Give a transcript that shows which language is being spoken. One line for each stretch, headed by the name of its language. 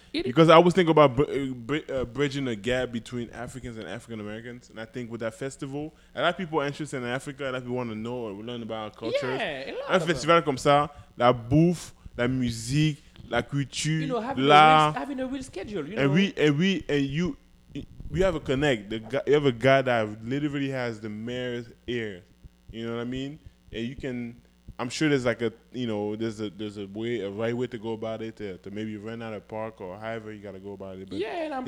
English: Because I always think about bridging a gap between Africans and African Americans, and I think with that festival, a lot of people are interested in Africa, a lot of people want to know or learn about our culture. Yeah,
French: un festival comme ça, la bouffe, la musique, la culture,
English: you know, having a real schedule, you and know. We have a connect. You have a guy that literally has the mayor's ear, you know what I mean? And you can. I'm sure there's like a, you know, there's a right way to go about it, to maybe rent out a park or however you gotta go about it. But yeah, and I'm